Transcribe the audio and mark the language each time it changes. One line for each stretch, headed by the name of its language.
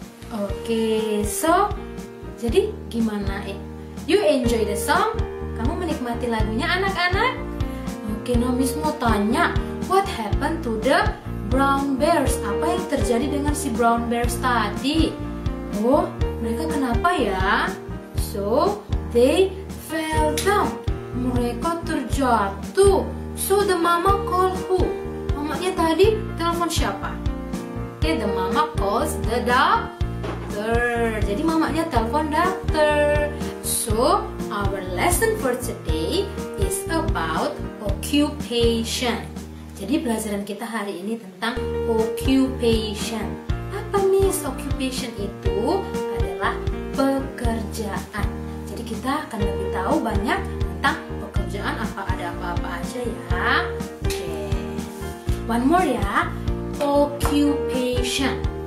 Indonesian: Okay, so jadi gimana?
English: You enjoy the song?
Indonesian: Kamu menikmati lagunya anak-anak? Oke, nah Miss mau tanya,
English: what happened to the brown bears?
Indonesian: Apa yang terjadi dengan si brown bears tadi? Oh, mereka kenapa ya?
English: So, they fell down.
Indonesian: Mereka terjatuh.
English: So, the mama called who?
Indonesian: Mamanya tadi telepon siapa?
English: Okay, the mama calls the doctor.
Indonesian: Jadi mamanya telepon doctor.
English: So, our lesson for today is about occupation.
Indonesian: Jadi, pelajaran kita hari ini tentang occupation. Apa Miss? Occupation itu adalah pekerjaan. Jadi, kita akan lebih tahu banyak tentang pekerjaan apa ada apa-apa aja ya.
English: Okay. One more ya. Occupation.